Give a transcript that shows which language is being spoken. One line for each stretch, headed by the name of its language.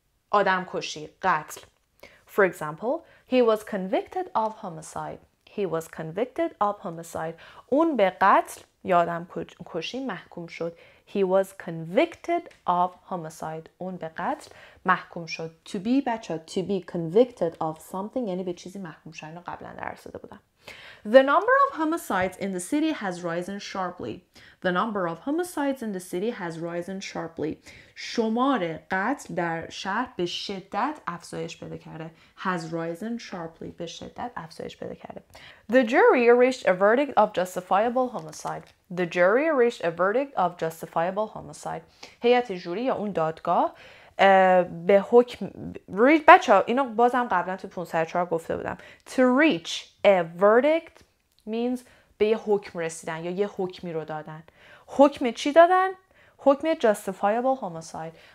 Persian: آدم کشی، قتل.
English: For example, he was convicted of homicide. He was convicted of homicide.
Persian: اون به قتل یا آدم کشی محکوم شد.
English: He was convicted of homicide.
Persian: اون به قتل محکوم شد.
English: To be بچه، to be convicted of something
Persian: یعنی به چیزی محکوم شد. اینو قبلا درس داده بودم.
English: The number of homicides in the city has risen sharply. The number of homicides in the city has risen sharply.
Persian: شمار قتل در شهر به شدت افزایش پیدا کرده.
English: Has risen sharply.
Persian: به شدت افزایش پیدا کرده.
English: The jury reached a verdict of justifiable homicide. The jury reached a verdict of justifiable homicide.
Persian: هیئت جوری یا اون دادگاه به حکم ریچ، بچه ها اینو بازم قبلا تو 504 گفته بودم.
English: To reach a verdict means
Persian: به یه حکم رسیدن یا یه حکمی رو دادن. حکم چی دادن؟ حکم
English: justifiable homicide.